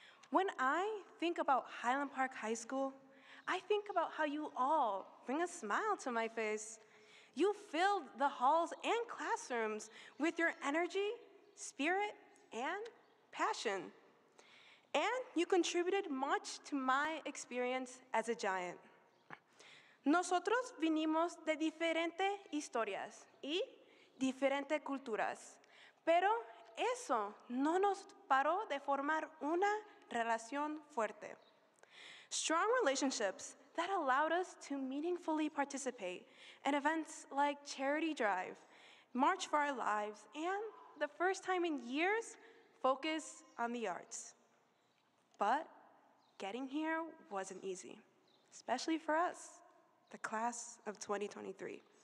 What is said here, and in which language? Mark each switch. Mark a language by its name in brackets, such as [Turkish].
[English] When I think about Highland Park High School, I think about how you all bring a smile to my face. You filled the halls and classrooms with your energy, spirit, and passion. And you contributed much to my experience as a Giant. [Spanish] Nosotros vinimos de diferentes historias y diferentes culturas, pero eso no nos paró de formar una relación fuerte. [English] Strong relationships that allowed us to meaningfully participate in events like Charity Drive, March for Our Lives, and the first time in years, Focus on the Arts. But getting here wasn't easy, especially for us, the class of 2023.